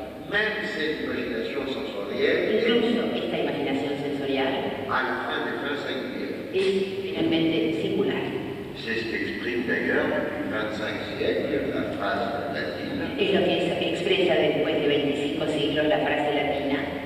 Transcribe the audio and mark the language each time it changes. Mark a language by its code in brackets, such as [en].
[fr] même cette imagination sensorielle, [es] incluso esta imaginación sensorial, [fr] à la fin des fins singulières, [es] es finalmente singular. [fr] C'est ce qu'exprime d'ailleurs depuis 25 siècles la phrase latine. [es] Es lo que expresa después de 25 siglos la frase latina.